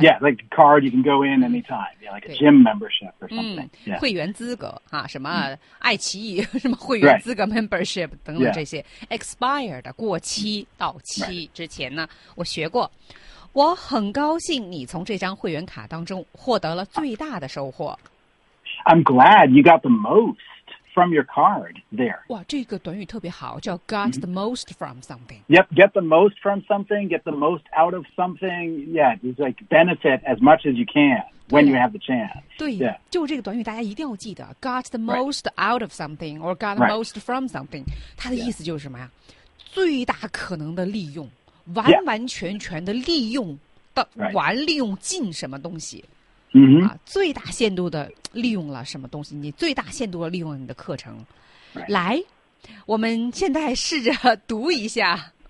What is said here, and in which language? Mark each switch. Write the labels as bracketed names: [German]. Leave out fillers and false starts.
[English] yeah, like a card you can go in anytime, yeah, like a gym membership or something.、Yeah. [Chinese] 会员资格啊，什么爱奇艺什么会员资格 membership 等等这些、 [English] yeah. [Chinese] expired 过期到期之前呢，我学过。我很高兴你从这张会员卡当中获得了最大的收获。 [English] I'm glad you got the most from your card there. [Chinese] 哇，这个短语特别好，叫 [English] got the most from something. Yep, get the most from something, get the most out of something. Yeah, it's like benefit as much as you can when you have the chance. [Chinese] 对、 [English] yeah. [Chinese] 就这个短语大家一定要记得 [English] got the most、 right. out of something or got the most from something. [Chinese] 它的意思就是什么呀、 [English] yeah. [Chinese] 最大可能的利用完完全全的利用的、 [English] right. [Chinese] 完利用尽什么东西。 Mm-hmm. 啊、最大限度的利用了什么东西你最大限度的利用了你的课程、 [English] right. [Chinese] 来我们现在试着读一下